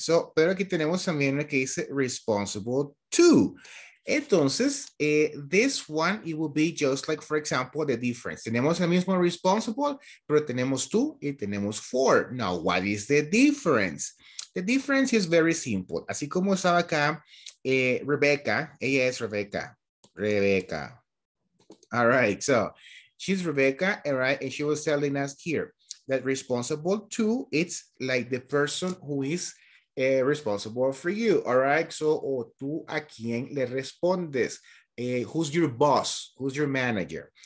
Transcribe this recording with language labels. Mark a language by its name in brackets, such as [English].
[Spanish] So, pero aquí tenemos también una que dice responsible to. [English] Entonces, this one, it will be just like, for example, the difference. [Spanish] Tenemos el mismo responsible, pero tenemos two y tenemos four. [English] Now, what is the difference? The difference is very simple. [Spanish] Así como estaba acá, Rebecca, ella es Rebecca. Rebecca. [English] All right, so she's Rebecca, all right, and she was telling us here that responsible to, it's like the person who is responsible for you, all right? So, [Spanish] o tú a quién le respondes? [English] Who's your boss? Who's your manager?